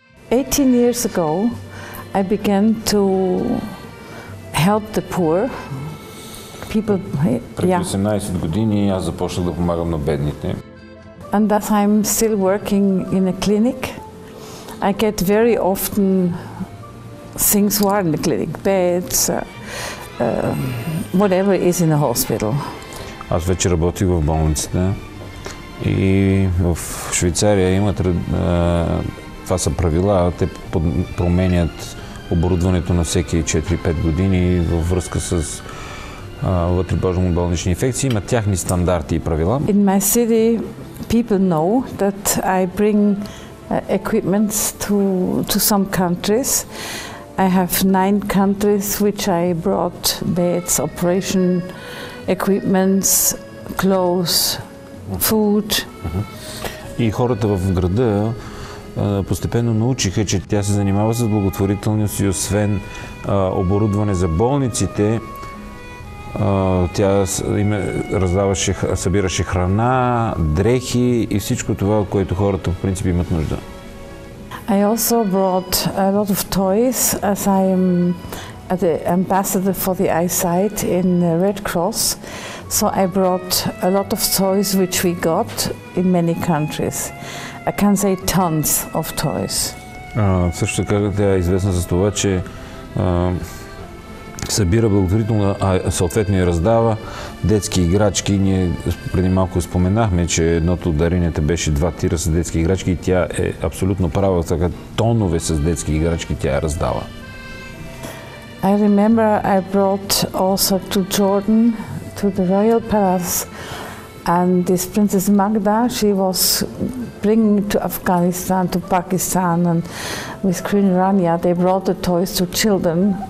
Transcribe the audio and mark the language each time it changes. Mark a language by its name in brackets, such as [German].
[English] 18 years ago, I began to help the poor. People, yeah. [Bulgarian] Преди 18 години аз започнах да помагам на бедните. [English] And as I'm still working in a clinic, I get very often things who are in the clinic, beds, whatever is in the hospital. [Bulgarian] Аз вече работих в болницата и в Швейцария имат, това са правила, те променят оборудването на всеки 4-5 години във връзка с вътребожно болнични инфекции, имат тяхни стандарти и правила. [English] In my city, people know that I bring equipment to some countries. I have 9 countries which I brought beds, operation equipments, clothes, food. [Bulgarian] И хората в града постепенно научиха, че тя се занимава с благотворителност и освен оборудване за болниците, тя раздаваше, събираше храна, дрехи и всичко това, което хората в принцип имат нужда. [English] I also brought a lot of toys as I am the ambassador for the eyesight in the Red Cross. So I brought a lot of toys which we got in many countries. I can say tons of toys. [Bulgarian] Също така тя е известна за това, че събира благотворително, а съответно и раздава детски играчки. Ние преди малко споменахме, че едното от даренията беше 2 тира с детски играчки и тя е абсолютно права, така тонове с детски играчки тя е раздава. [English] I remember I brought also to Jordan, to the Royal Palace, and this Princess Magda, she was bringing to Afghanistan, to Pakistan, and with Queen Rania, they brought the toys to children.